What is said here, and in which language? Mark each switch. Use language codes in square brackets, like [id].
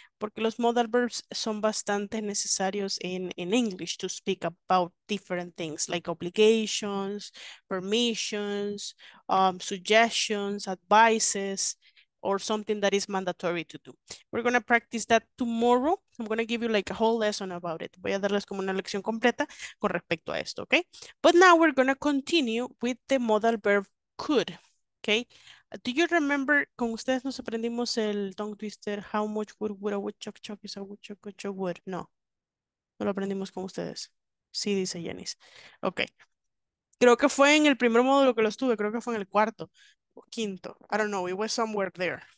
[es] Porque los modal verbs son bastante necesarios en [en] English to speak about different things like obligations, permissions, suggestions, advices, or something that is mandatory to do. We're going to practice that tomorrow. I'm going to give you like a whole lesson about it. [es] Voy a darles como una lección completa con respecto a esto, okay? [en] But now we're going to continue with the modal verb could, okay? Do you remember, [es] con ustedes nos aprendimos el tongue twister, [en] how much wood would a woodchuck chuck is a woodchuck a chuck wood? [es] No. No lo aprendimos con ustedes. Sí, dice Jenis. Okay. Creo que fue en el primer módulo que lo estuve, creo que fue en el cuarto. [en] Quinto, I don't know, it was somewhere there.